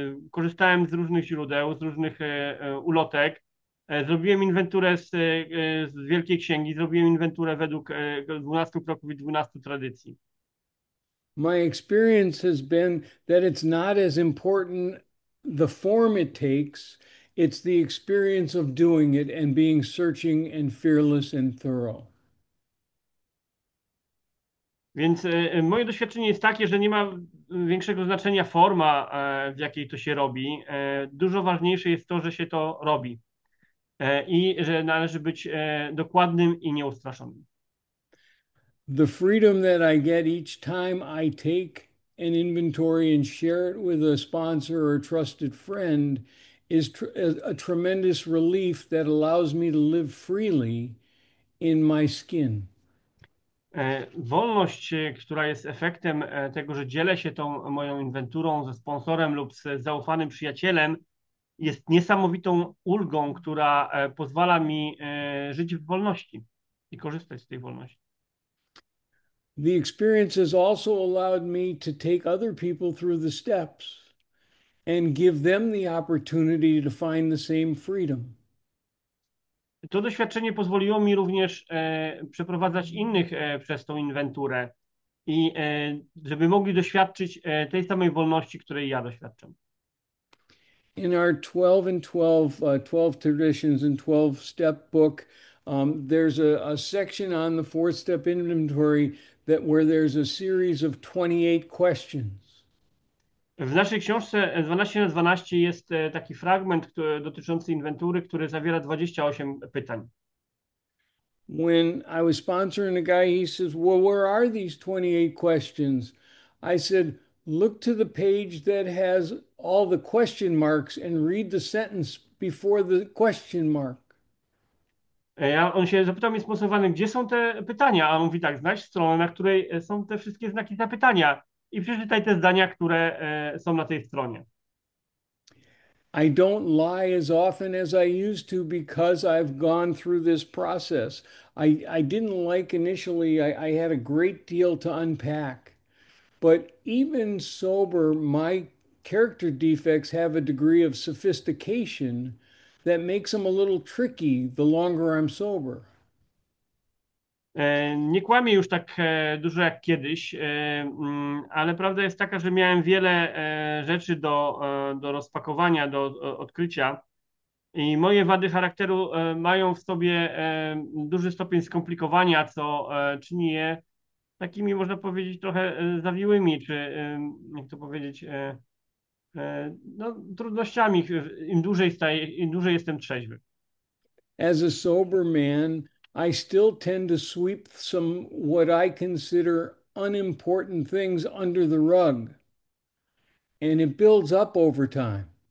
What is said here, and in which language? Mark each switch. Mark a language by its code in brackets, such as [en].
[pl] Korzystałem z różnych źródeł, z różnych ulotek. Zrobiłem inwenturę z Wielkiej Księgi, zrobiłem inwenturę według 12 kroków i 12 tradycji. [en] My experience has been that it's not as important the form it takes, it's the experience of doing it and being searching and fearless and thorough. [pl] Więc moje doświadczenie jest takie, że nie ma większego znaczenia forma, w jakiej to się robi. Dużo ważniejsze jest to, że się to robi i że należy być dokładnym i nieustraszonym. [en] The freedom that I get each time I take an inventory and share it with a sponsor or a trusted friend is tr a tremendous relief that allows me to live freely in my skin. [pl] Wolność, która jest efektem tego, że dzielę się tą moją inwenturą ze sponsorem lub z zaufanym przyjacielem, jest niesamowitą ulgą, która pozwala mi żyć w wolności i korzystać z tej wolności. [en] The experience has also allowed me to take other people through the steps and give them the opportunity to find the same freedom. [pl] To doświadczenie pozwoliło mi również przeprowadzać innych przez tą inwenturę i żeby mogli doświadczyć tej samej wolności, której ja doświadczam. [en] In our 12 and 12, 12 traditions and 12 step book, there's a section on the fourth step inventory that where there's a series of 28 questions. [pl] W naszej książce 12 na 12 jest taki fragment, który, dotyczący inwentury, który zawiera 28 pytań. [en] when I was sponsoring a guy, he says, "Well, where are these 28 questions?" I said, "Look to the page that has all the question marks and read the sentence before the question mark." [pl] Ja, on się zapytał mnie sponsorowany, gdzie są te pytania, a on mówi tak, znajdź stronę, na której są te wszystkie znaki zapytania i przeczytaj te zdania, które są na tej stronie. [en] I don't lie as often as I used to because I've gone through this process. I didn't like initially, I had a great deal to unpack. But even sober, my character defects have a degree of sophistication that makes them a little tricky the longer I'm sober. Nie kłamię już tak dużo jak kiedyś, ale prawda jest taka, że miałem wiele rzeczy do rozpakowania, do odkrycia i moje wady charakteru mają w sobie duży stopień skomplikowania, co czyni je takimi, można powiedzieć, trochę zawiłymi, czy jak to powiedzieć, no, trudnościami, im dłużej jestem trzeźwy. As a sober man, I still tend to sweep some what I consider unimportant things under the rug, and it builds up over time.